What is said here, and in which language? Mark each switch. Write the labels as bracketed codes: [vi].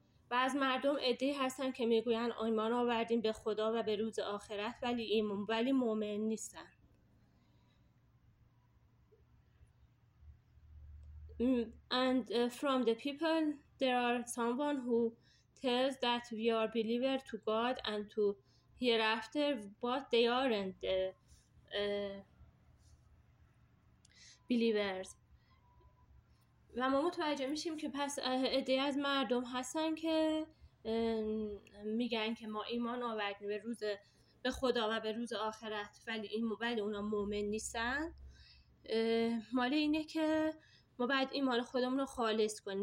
[fa] و از مردم عده هستن که میگوین ایمان آوردیم به خدا و به روز آخرت، ولی ایمان ولی مؤمن نیستن. [en] And from the people there are someone who tells that we are believer to God and to hereafter, but they aren't the believers. [fa] و ما متوجه میشیم که پس عده از مردم هستن که میگن که ما ایمان آوردیم به روز به خدا و به روز آخرت، ولی این ولی اونا مؤمن نیستن. مال اینه که ما باید ایمان خودمون رو خالص کنیم.